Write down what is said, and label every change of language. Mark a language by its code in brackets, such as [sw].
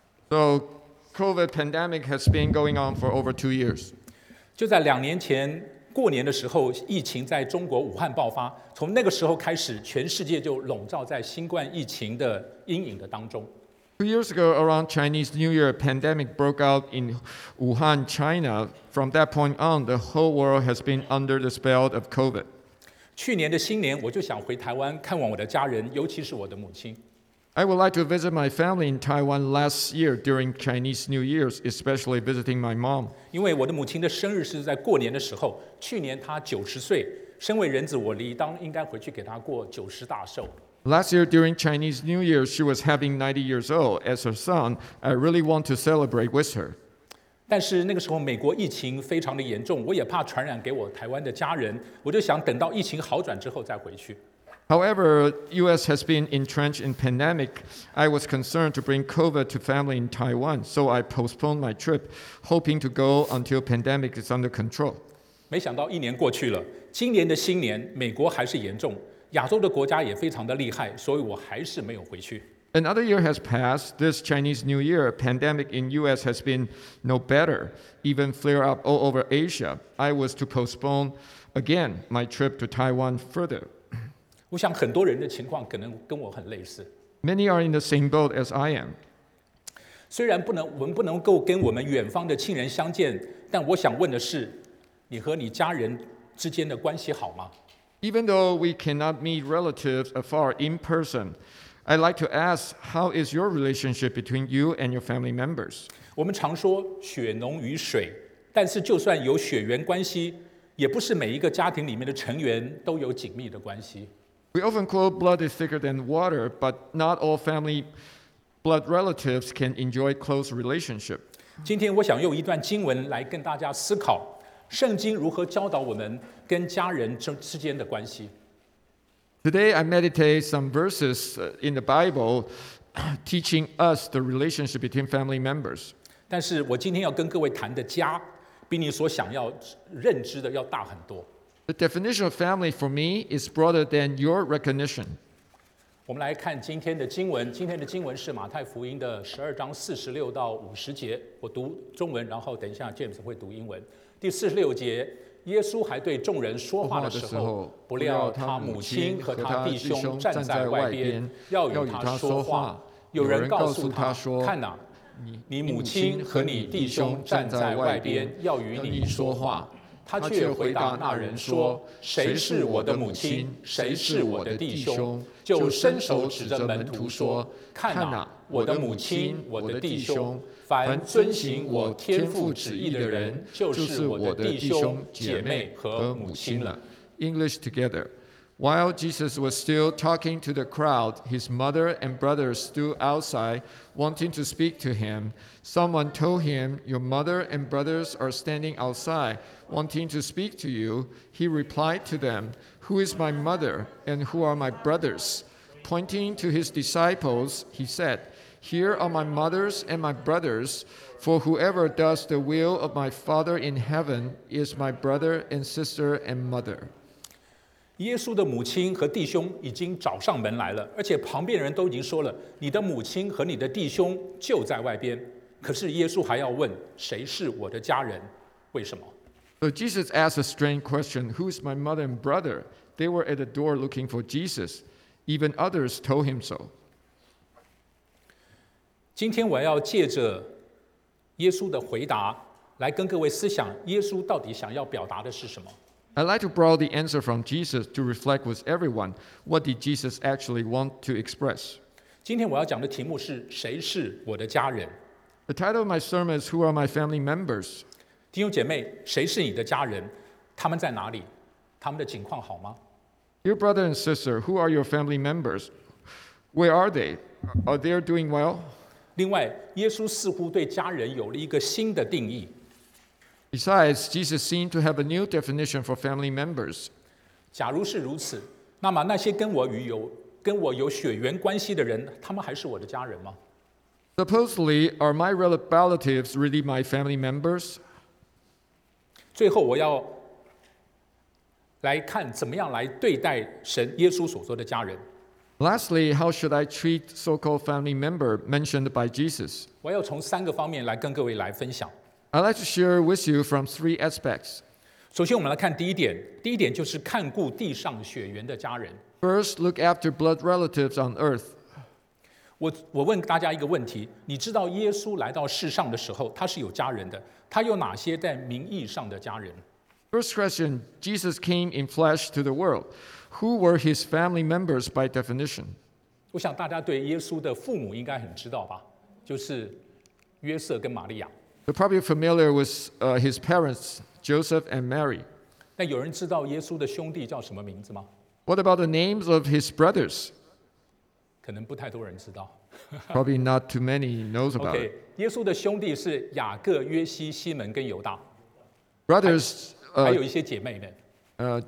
[en] So COVID pandemic has been going on for over 2 years. [zh] 就在两年前过年的时候，疫情在中国武汉爆发。从那个时候开始，全世界就笼罩在新冠疫情的阴影的当中。 [en] 2 years ago, around Chinese New Year, pandemic broke out in Wuhan, China. From that point on, the whole world has been under the spell of COVID. [zh] 去年的新年，我就想回台湾看望我的家人，尤其是我的母亲。 [en] I would like to visit my family in Taiwan last year during Chinese New Year's, especially visiting my mom. [zh] 因为我的母亲的生日是在过年的时候，去年她90岁，身为人子，我理当应该回去给她过90大寿。 [en] Last year during Chinese New Year, she was having 90 years old. As her son, I really want to celebrate with her. [zh] 但是那个时候美国疫情非常的严重，我也怕传染给我台湾的家人，我就想等到疫情好转之后再回去。 [en] However, U.S. has been entrenched in pandemic. I was concerned to bring COVID to family in Taiwan, so I postponed my trip, hoping to go until pandemic is under control. [zh] 没想到一年过去了，今年的新年，美国还是严重。亚洲的国家也非常的厉害，所以我还是没有回去。 [en] Another year has passed. This Chinese New Year, pandemic in U.S. has been no better. Even flare up all over Asia. I was to postpone again my trip to Taiwan further. [zh] 我想很多人的情况可能跟我很类似。 [en] Many are in the same boat as I am. [zh] 虽然我们不能够跟我们远方的亲人相见，但我想问的是，你和你家人之间的关系好吗？ [en] Even though we cannot meet relatives afar in person, I'd like to ask, how is your relationship between you and your family members? [zh] 我们常说血浓于水，但是就算有血缘关系，也不是每一个家庭里面的成员都有紧密的关系。 [en] We often quote blood is thicker than water, but not all family blood relatives can enjoy close relationship. [zh] 今天我想用一段经文来跟大家思考圣经如何教导我们跟家人之间的关系。 [en] Today I meditate some verses in the Bible teaching us the relationship between family members. [zh] 但是我今天要跟各位谈的家比你所想要认知的要大很多。 [en] The definition of family for me is broader than your recognition. [zh] 我们来看今天的经文，今天的经文是马太福音的12章46到50节。我读中文，然后等一下 James 会读英文。第四十六节，耶稣还对众人说话的时候，不料他母亲和他弟兄站在外边，要与他说话。有人告诉他说：“看哪，你母亲和你弟兄站在外边，要与你说话。” 他却回答那人说：“谁是我的母亲？谁是我的弟兄？” 就伸手指着门徒说：“看哪，我的母亲，我的弟兄。凡遵行我天父旨意的人，就是我的弟兄、姐妹和母亲了。” [en] English together. While Jesus was still talking to the crowd, his mother and brothers stood outside, wanting to speak to him. Someone told him, "Your mother and brothers are standing outside, wanting to speak to you." He replied to them, "Who is my mother and who are my brothers?" Pointing to his disciples, he said,Here are my mothers and my brothers, for whoever does the will of my Father in heaven is my brother and sister and mother. [zh] 耶稣的母亲和弟兄已经找上门来了，而且旁边人都已经说了，你的母亲和你的弟兄就在外边。可是耶稣还要问，谁是我的家人？为什么？ [en] So Jesus asked a strange question, who is my mother and brother? They were at the door looking for Jesus. Even others told him so. [zh] 今天我要借着耶稣的回答来跟各位思想耶稣到底想要表达的是什么。 [en] I'd like to borrow the answer from Jesus to reflect with everyone. What did Jesus actually want to express? [zh] 今天我要讲的题目是谁是我的家人。 [en] The title of my sermon is Who are my family members? [zh] 弟兄姐妹，谁是你的家人？他们在哪里？他们的情况好吗？ [en] Dear brother and sister, who are your family members? Where are they? Are they doing well? [zh] 另外，耶稣似乎对家人有了一个新的定义。 [en] Besides, Jesus seemed to have a new definition for family members. [zh] 假如是如此，那么那些跟我有血缘关系的人，他们还是我的家人吗？ [en] Supposedly, are my relatives really my family members? [zh] 最后我要来看怎么样来对待神耶稣所说的家人。 [en] Lastly, how should I treat so-called family member mentioned by Jesus? [zh] 我要从三个方面来跟各位来分享。 [en] I'd like to share with you from three aspects. [zh] 首先我们来看第一点，第一点就是看顾地上血缘的家人。 [en] First, look after blood relatives on earth. [zh] 我问大家一个问题，你知道耶稣来到世上的时候，他是有家人的，他有哪些在名义上的家人？ [en] First question, Jesus came in flesh to the world. Who were his family members by definition? [zh] 我想大家对耶稣的父母应该很知道吧，就是约瑟跟玛利亚。 [en] You're probably familiar with his parents, Joseph and Mary. [zh] 那有人知道耶稣的兄弟叫什么名字吗？ [en] What about the names of his brothers? [zh] 可能不太多人知道。 [en] Probably not too many knows about it. [zh] 耶稣的兄弟是雅各、约西、西门跟犹大。 [en] Brothers... [zh] 还有一些姐妹们